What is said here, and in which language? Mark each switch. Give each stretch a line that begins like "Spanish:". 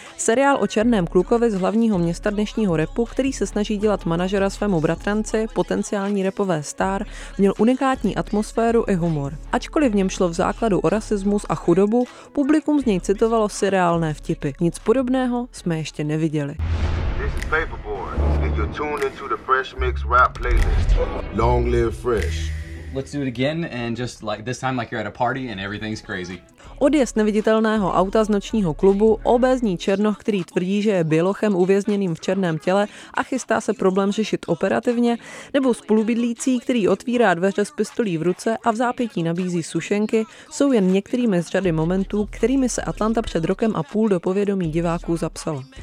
Czech: Seriál o černém klukovi z hlavního města dnešního repu, který se snaží dělat manažera svému bratranci, potenciální repové star, měl unikátní atmosféru i humor. Ačkoliv v něm šlo v základu o rasismus a chudobu, publikum z něj citovalo seriálné vtipy. Nic podobného jsme ještě neviděli.
English: You're tuned into the Fresh Mix rap playlist. Long live Fresh. Let's do it again and just like this time like you're at a party and everything's crazy.
Czech: Odjezd neviditelného auta z nočního klubu, obézní černoch, který tvrdí, že je bělochem uvězněným v černém těle a chystá se problém řešit operativně, nebo spolubydlící, který otvírá dveře s pistolí v ruce a v zápětí nabízí sušenky, jsou jen některými z řady momentů, kterými se Atlanta před rokem a půl do povědomí diváků zapsala.